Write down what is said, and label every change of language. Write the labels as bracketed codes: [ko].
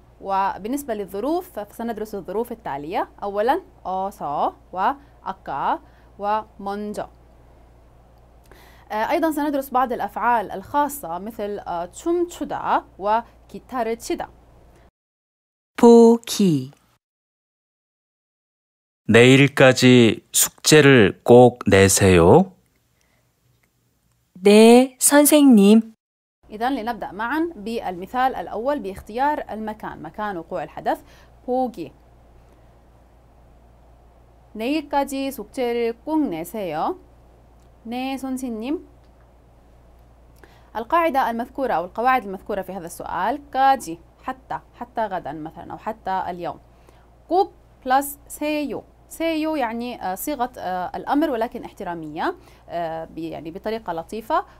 [ar] وبالنسبة للظروف فسندرس الظروف التالية، أولا أوسو وأكا ومونجو. أيضا سندرس بعض الأفعال الخاصة مثل تشومتشودا وكيتارتشيدا. [ko] بوكي 내일까지 숙제를 꼭 내세요. 네, 선생님. [ar] إذن لنبدأ معا بالمثال الأول باختيار المكان، مكان وقوع الحدث. [ko] 보기. 내일까지 숙제를 꼭 내세요. 네, 선생님. [ar] القاعدة المذكورة أو القواعد المذكورة في هذا السؤال، 까지 حتى غدا مثلا أو حتى اليوم. [ko] 꼭 plus 세요. [ar] سيو يعني صيغة الأمر ولكن احترامية، يعني بطريقة لطيفة.